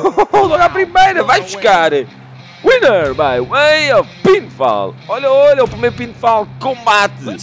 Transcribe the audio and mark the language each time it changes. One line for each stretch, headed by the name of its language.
Portuguese: Logo a primeira, vai buscar.
English: Winner by way of pinfall.
Portuguese: Olha, olha, o primeiro pinfall, combate.